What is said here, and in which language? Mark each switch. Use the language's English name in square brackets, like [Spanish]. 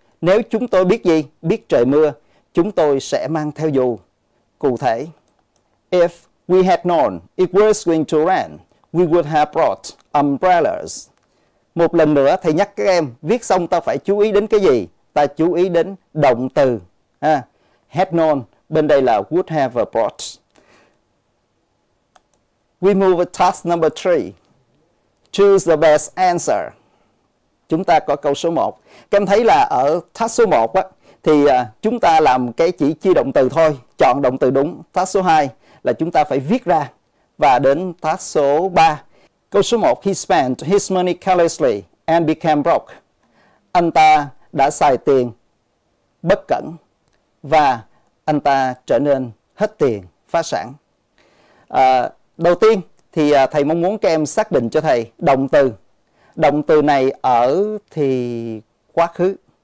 [Vietnamese] Nếu chúng tôi biết gì? Biết trời mưa, chúng tôi sẽ mang theo dù. Cụ thể, [English] if we had known it was going to rain, we would have brought umbrellas. [Vietnamese] Một lần nữa, thầy nhắc các em, viết xong ta phải chú ý đến cái gì? Ta chú ý đến động từ. Ha? [English] Had known, [Vietnamese] bên đây là [English] would have brought. We move to task number 3. Choose the best answer. [Vietnamese] Chúng ta có câu số 1. Các em thấy là ở task số 1 á, thì chúng ta làm cái chỉ chia động từ thôi, chọn động từ đúng. Task số 2 là chúng ta phải viết ra. Và đến task số 3. Câu số 1, [English] he spent his money carelessly and became broke. [Vietnamese] Anh ta đã xài tiền bất cẩn và anh ta trở nên hết tiền, phá sản. Đầu tiên thì thầy mong muốn các em xác định cho thầy động từ. Động từ này ở thì quá khứ.